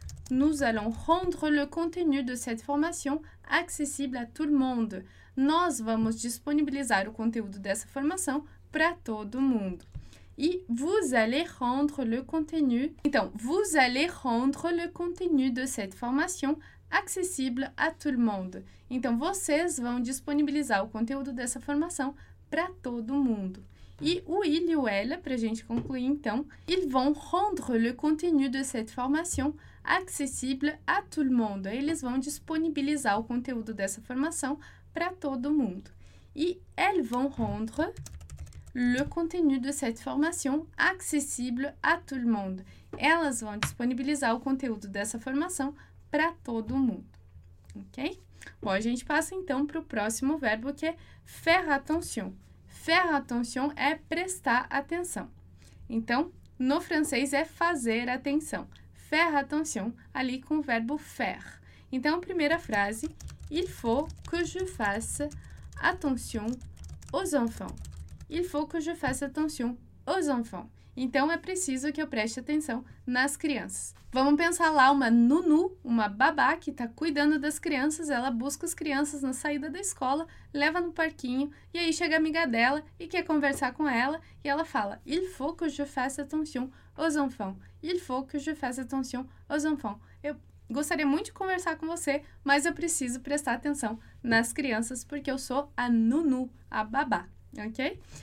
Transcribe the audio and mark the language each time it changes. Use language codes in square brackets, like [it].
[fr] Nous allons rendre le contenu de cette formation accessible à tout le monde. [pt] Nós vamos disponibilizar o conteúdo dessa formação para todo mundo. [fr] E vous allez rendre le contenu. Então, vous allez rendre le contenu de cette formation accessible à tout le monde. [pt] Então, vocês vão disponibilizar o conteúdo dessa formação para todo mundo. E o il e o ela, para a gente concluir, então, [fr] ils vont rendre le contenu de cette formation accessible à tout le monde. [pt] Eles vão disponibilizar o conteúdo dessa formação para todo mundo. [fr] E elles vont rendre le contenu de cette formation accessible à tout le monde. [pt] Elas vão disponibilizar o conteúdo dessa formação para todo mundo. Ok? Bom, a gente passa então para o próximo verbo, que é faire attention. Faire attention é prestar atenção. Então, no francês é fazer atenção. [fr] Faire attention, [pt] ali com o verbo faire. Então, primeira frase, [fr] il faut que je fasse attention aux enfants. Il faut que je fasse attention aux enfants. [pt] Então, é preciso que eu preste atenção nas crianças. Vamos pensar lá uma nunu, uma babá que está cuidando das crianças. Ela busca as crianças na saída da escola, leva no parquinho, e aí chega a amiga dela e quer conversar com ela, e ela fala, [fr] il faut que je fasse attention aux enfants. Il faut que je fasse attention aux enfants. [pt] Eu gostaria muito de conversar com você, mas eu preciso prestar atenção nas crianças, porque eu sou a nunu, a babá, ok?